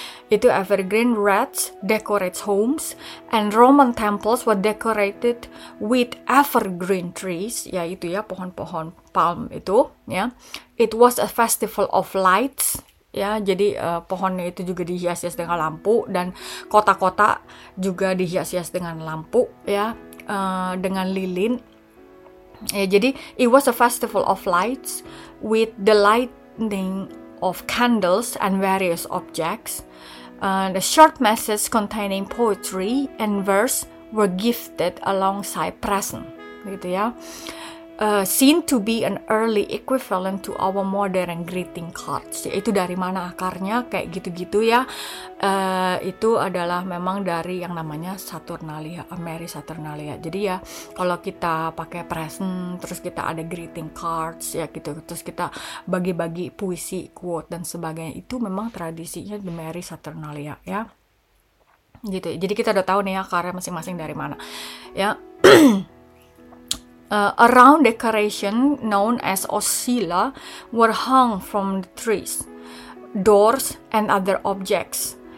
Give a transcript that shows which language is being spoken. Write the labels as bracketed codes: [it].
[en] Itu evergreen wreaths decorates homes, and Roman temples were decorated with evergreen trees, [id] yaitu ya pohon-pohon palm itu, ya. [en] It was a festival of lights, ya. [id] Jadi pohonnya itu juga dihias-hias dengan lampu, dan kota-kota juga dihias-hias dengan lampu, ya, dengan lilin. [en] Ya, jadi it was a festival of lights with the lighting of candles and various objects. The short message containing poetry and verse were gifted alongside present, [id] gitu ya. [en] Seen to be an early equivalent to our modern greeting cards. [id] Itu dari mana akarnya, kayak gitu-gitu, ya. Itu adalah memang dari yang namanya Saturnalia, Merry Saturnalia. Jadi ya, kalau kita pakai present, terus kita ada greeting cards, ya gitu, terus kita bagi-bagi puisi, quote, dan sebagainya, itu memang tradisinya di Merry Saturnalia, ya. Gitu. Jadi kita udah tahu nih ya, akarnya masing-masing dari mana, ya. [en] A round decoration known as oscilla were hung from the trees, doors, and other objects.